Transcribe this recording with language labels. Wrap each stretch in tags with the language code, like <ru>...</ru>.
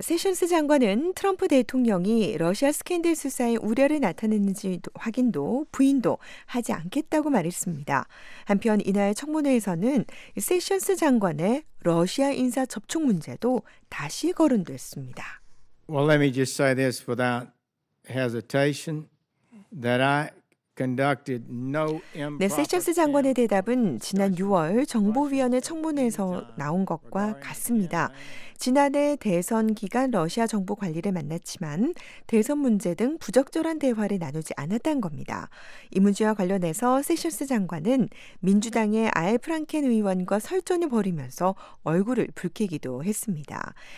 <ko>세션스 장관은 트럼프 대통령이 러시아 스캔들 수사에 우려를 나타냈는지 확인도 부인도 하지 않겠다고 말했습니다. 한편 이날 청문회에서는 세션스 장관의 러시아 인사 접촉 문제도 다시 거론됐습니다.</ko> <en>Well, let me just say this without hesitation that I conducted no improper.</en> <ko>네, 세션스 장관의 대답은 지난 6월 정보위원회 청문회에서 나온 것과 같습니다. 지난해 대선 기간 러시아 정부 관리를 만났지만 대선 문제 등 부적절한 대화를 나누지 않았다는 겁니다. 이 문제와 관련해서 세션스 장관은 민주당의 알 프랑켄 의원과 설전을 벌이면서 얼굴을 붉히기도 했습니다.</ko>